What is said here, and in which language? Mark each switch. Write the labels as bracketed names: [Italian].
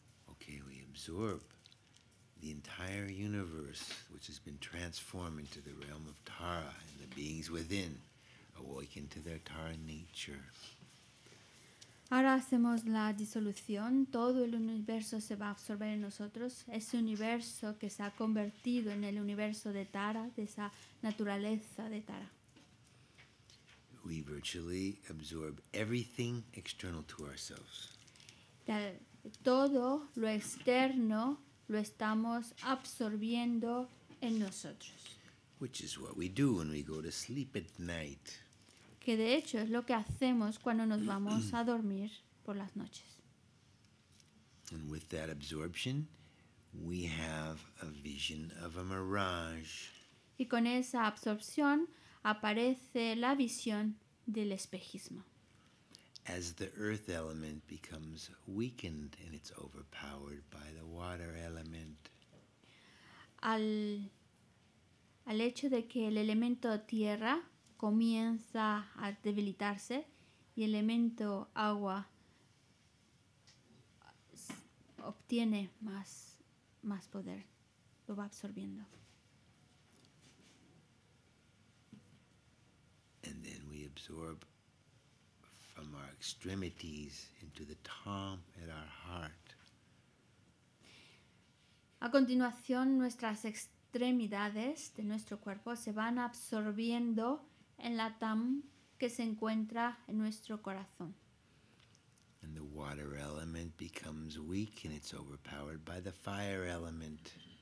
[English] Okay, we absorb the entire universe, which has been transformed into the realm of Tara, and the beings within awaken to their Tara nature. [Spanish] Ahora hacemos la disolución. Todo el universo se va a absorber en nosotros. Ese universo que se ha convertido en el universo de Tara, de esa naturaleza de Tara. [English] We virtually absorb everything external to ourselves. [Spanish] Todo lo externo lo estamos absorbiendo en nosotros. [English] Which is what we do when we go to sleep at night. [Spanish] Que de hecho es lo que hacemos cuando nos vamos a dormir por las noches. [English] And with that absorption, we have a vision of a mirage. [Spanish] Y con esa absorción aparece la visión del espejismo. [English] As the earth element becomes weakened and it's overpowered by the water element. [Spanish] Al hecho de que el elemento tierra comienza a debilitarse y el elemento agua obtiene más poder, lo va absorbiendo. [English] And then we absorb from our extremities into the tom at our heart. [Spanish] A continuación, nuestras extremidades de nuestro cuerpo se van absorbiendo en la tam que se encuentra en nuestro corazón. [English] And the water element becomes weak and it's overpowered by the fire element.